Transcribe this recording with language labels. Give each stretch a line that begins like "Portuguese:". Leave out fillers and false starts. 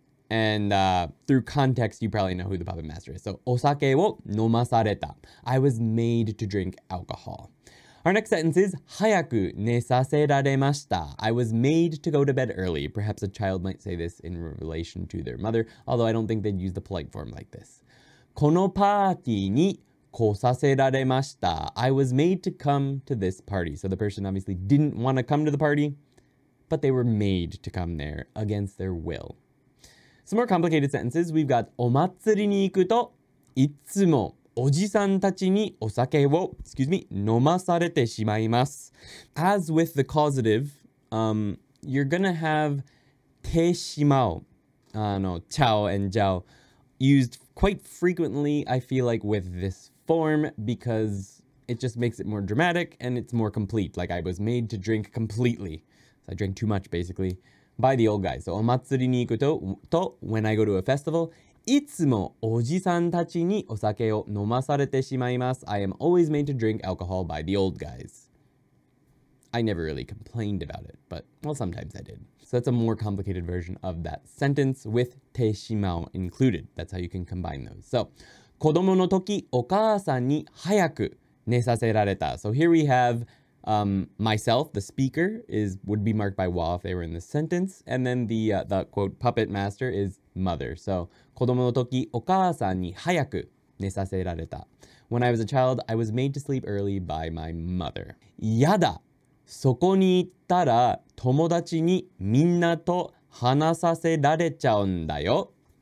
English: And through context, you probably know who the puppet master is. So
Japanese: osake wo nomasareta.
English: I was made to drink alcohol. Our next sentence is,
Japanese: 早く寝させられました.
English: I was made to go to bed early. Perhaps a child might say this in relation to their mother, although I don't think they'd use the polite form like this.
Japanese: このパーティーに来させられました.
English: I was made to come to this party. So the person obviously didn't want to come to the party, but they were made to come there against their will. Some more complicated sentences. We've got,
Japanese: お祭りに行くといつも おじさんたちにお酒を飲まされてしまいます.
English: As with the causative, you're gonna have てしまう, ちゃう and じゃう used quite frequently, I feel like, with this form, because it just makes it more dramatic and it's more complete. Like, I was made to drink completely. So I drank too much, basically, by the old guy.
Japanese: So お祭りに行くと,
English: when I go to a festival,
Japanese: いつもおじさんたちにお酒を飲まされてしまいます.
English: I am always made to drink alcohol by the old guys. I never really complained about it, but, well, sometimes I did. So that's a more complicated version of that sentence with てしまう included. That's how you can combine those.
Japanese: So, 子供の時お母さんに早く寝させられた.
English: So here we have myself, the speaker, would be marked by wa if they were in the sentence. And then the quote, puppet master is mother.
Japanese: So, 子供の時お母さんに早く寝させられた.
English: When I was a child, I was made to sleep early by my mother.
Japanese: やだ、そこに行ったら友達にみんなと話させられちゃうんだよ.